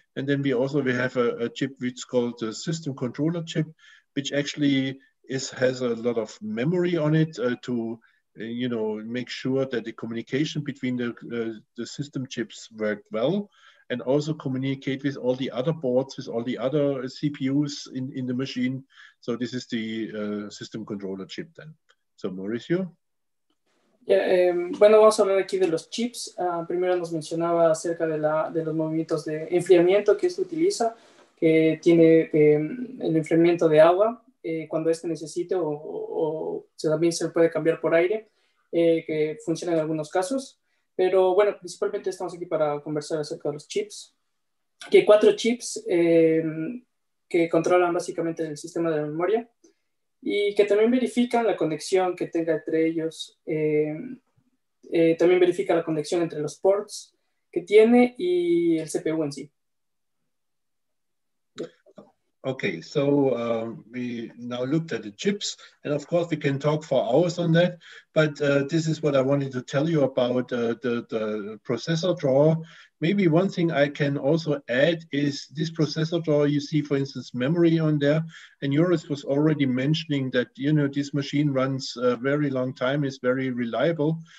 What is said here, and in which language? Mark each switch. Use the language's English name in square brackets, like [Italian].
[English] And then we have a chip which is called the system controller chip, which actually has a lot of memory on it to, you know, make sure that the communication between the system chips worked well, and also communicate with all the other boards, with all the other CPUs in the machine. So this is the system controller chip then. So Mauricio. [Spanish] Bueno, vamos a hablar aquí de los chips. Primero nos mencionaba acerca de los movimientos de enfriamiento que se utiliza, que tiene el enfriamiento de agua cuando este necesite, o también se puede cambiar por aire, que funciona en algunos casos. Pero bueno, principalmente estamos aquí para conversar acerca de los chips. Que hay cuatro chips que controlan básicamente el sistema de memoria, y que también verifican la conexión que tenga entre ellos. También verifica la conexión entre los ports que tiene y el CPU en sí. [English] Okay, so we now looked at the chips, and of course we can talk for hours on that, but this is what I wanted to tell you about the processor drawer. Maybe one thing I can also add is this processor drawer, you see, for instance, memory on there, and Joris was already mentioning that, you know, this machine runs a very long time, is very reliable.